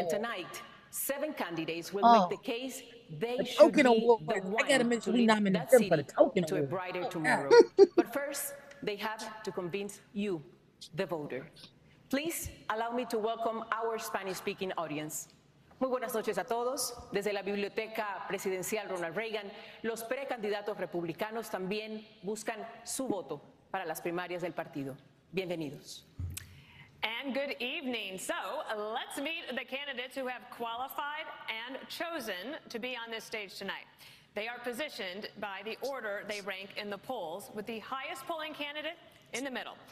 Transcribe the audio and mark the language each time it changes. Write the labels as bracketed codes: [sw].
[en] And tonight, seven candidates will make the case they should be the one. I got to mention, we nominated them for the token to a brighter tomorrow. Yeah. But first, they have to convince you, the voter. Please allow me to welcome our Spanish-speaking audience. [es] Muy buenas noches a todos. Desde la Biblioteca Presidencial Ronald Reagan, los precandidatos republicanos también buscan su voto para las primarias del partido. Bienvenidos. [en] And good evening. So, let's meet the candidates who have qualified and chosen to be on this stage tonight. They are positioned by the order they rank in the polls, with the highest polling candidate in the middle.